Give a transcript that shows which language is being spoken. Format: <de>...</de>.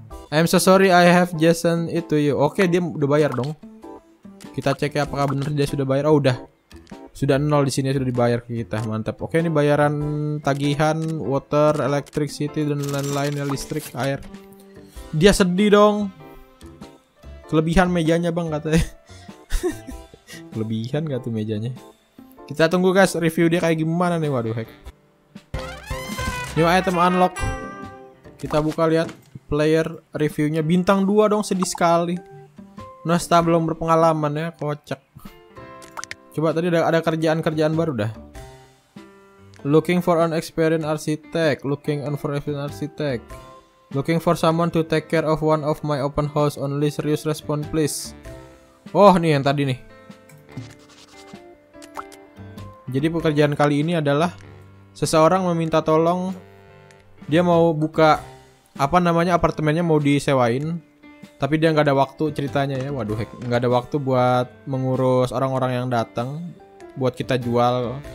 <en>I'm so sorry I have just sent it to you.</en> <id>Oke, dia udah bayar dong. Kita cek ya apakah benar dia sudah bayar. Oh, udah. Sudah nol di sini, sudah dibayar ke kita. Mantap. Oke, ini bayaran tagihan</id> <en>water, electricity</en> <id>dan lain-lain ya, listrik, air. Dia sedih dong. Kelebihan mejanya, Bang, katanya. Kelebihan enggak tuh mejanya? Kita tunggu, guys, review dia kayak gimana nih. Waduh, heck.</id> <en>New item unlock.</en> <id>Kita buka lihat player reviewnya. Bintang 2 dong, sedih sekali. Nosta belum berpengalaman ya, kocak. Coba tadi ada kerjaan-kerjaan baru dah.</id> <en>Looking for an experienced architect. Looking for an experienced architect. Looking for someone to take care of one of my open house. Only serious respond please.</en> <id>Oh, nih yang tadi nih. Jadi pekerjaan kali ini adalah seseorang meminta tolong, dia mau buka apa namanya apartemennya mau disewain, tapi dia nggak ada waktu ceritanya ya. Waduh, heck, nggak ada waktu buat mengurus orang-orang yang datang buat kita jual.</id>